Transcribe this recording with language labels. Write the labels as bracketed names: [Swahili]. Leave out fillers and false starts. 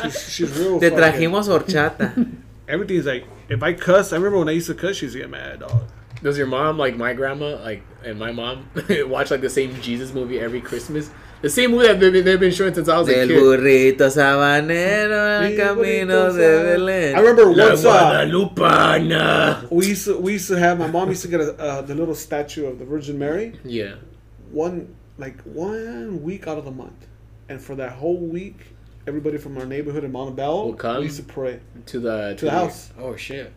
[English] She's real. [Spanish] Te trajimos horchata. [English] Everything's like, if I cuss, I remember when I used to cuss, she's get mad, dog. Does your mom, like my grandma, like, and my mom watch like the same Jesus movie every Christmas? The same movie that they've been showing since I was a kid. [Spanish] El burrito sabanero en el camino de Belén. [English] I remember once. [Spanish] La Guadalupana. [English] We used to have, my mom used to get the little statue of the Virgin Mary. Yeah. One week out of the month. And for that whole week, everybody from our neighborhood in Montebello, we'll come. We used to pray. To the house. Oh, shit.